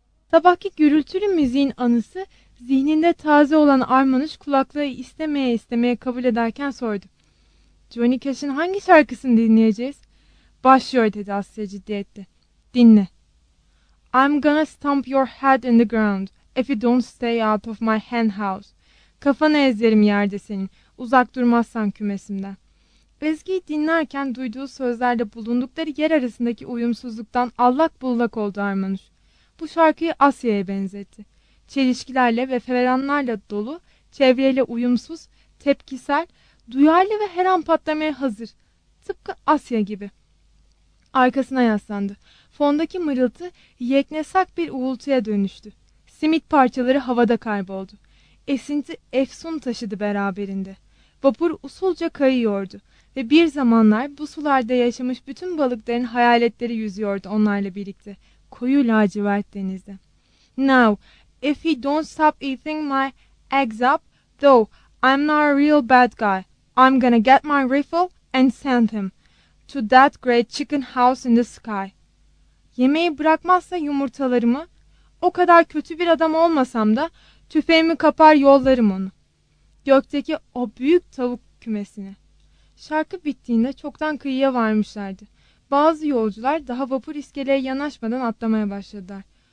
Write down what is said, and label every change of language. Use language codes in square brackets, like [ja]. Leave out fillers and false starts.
[tr] Sabahki gürültülü müziğin anısı, zihninde taze olan Armanış kulaklığı istemeye istemeye kabul ederken sordu. Johnny Cash'in hangi şarkısını dinleyeceğiz? Başlıyor dedi Asya ciddiyetle. Dinle. [en] I'm gonna stomp your head in the ground if you don't stay out of my hen house. [tr] Kafanı ezerim yerde senin, uzak durmazsan kümesimden. Ezgi'yi dinlerken duyduğu sözlerle bulundukları yer arasındaki uyumsuzluktan allak bullak oldu Armanış. Bu şarkıyı Asya'ya benzetti. Çelişkilerle ve feveranlarla dolu, çevreyle uyumsuz, tepkisel, duyarlı ve her an patlamaya hazır. Tıpkı Asya gibi. Arkasına yaslandı. Fondaki mırıltı yeknesak bir uğultuya dönüştü. Simit parçaları havada kayboldu. Esinti efsun taşıdı beraberinde. Vapur usulca kayıyordu. Ve bir zamanlar bu sularda yaşamış bütün balıkların hayaletleri yüzüyordu onlarla birlikte. Koyu lacivert denizde. [en] Now, if he don't stop eating my eggs up, though I'm not a real bad guy, I'm gonna get my rifle and send him to that great chicken house in the sky. [tr] Yemeği bırakmazsa yumurtalarımı, o kadar kötü bir adam olmasam da tüfeğimi kapar yollarım onu. Gökteki o büyük tavuk kümesine. Şarkı bittiğinde çoktan kıyıya varmışlardı. Bazı yolcular daha vapur iskeleye yanaşmadan atlamaya başladılar.